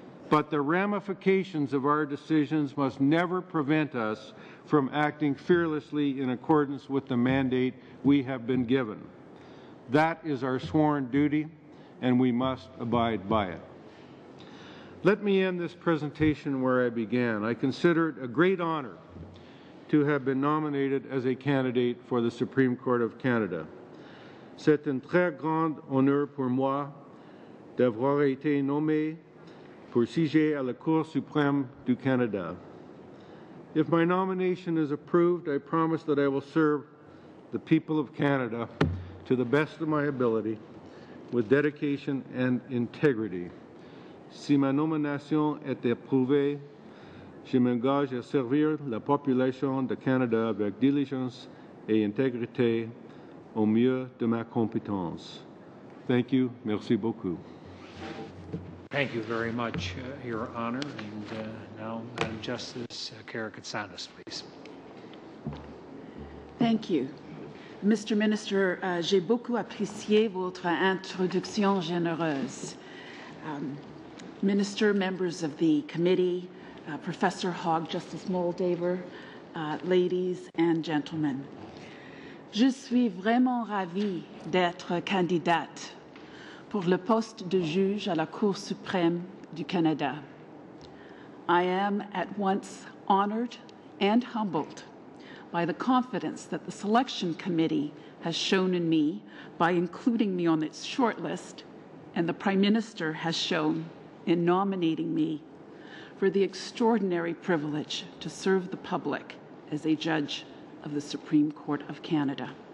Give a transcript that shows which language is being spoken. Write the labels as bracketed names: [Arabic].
[English] But the ramifications of our decisions must never prevent us from acting fearlessly in accordance with the mandate we have been given. That is our sworn duty, and we must abide by it. Let me end this presentation where I began. I consider it a great honour to have been nominated as a candidate for the Supreme Court of Canada. [French] C'est un très grand honneur pour moi d'avoir été nommé pour siéger à la Cour suprême du Canada. [English] If my nomination is approved, I promise that I will serve the people of Canada to the best of my ability with dedication and integrity. [French] Si ma nomination est approuvée, je m'engage à servir la population de Canada avec diligence et intégrité au mieux de ma compétence. [English] Thank you. [French] Merci beaucoup. [English] Thank you very much, Your Honour. And now, Madam Justice Karakatsanis, please. Thank you. [French] Mr. Minister, j'ai beaucoup apprécié votre introduction généreuse. [English] Minister, members of the committee, Professor Hogg, Justice Moldaver, ladies and gentlemen. [French] Je suis vraiment ravie d'être candidate pour le poste de juge à la Cour suprême du Canada. [English] I am at once honored and humbled by the confidence that the selection committee has shown in me by including me on its shortlist, and the Prime Minister has shown in nominating me for the extraordinary privilege to serve the public as a judge of the Supreme Court of Canada.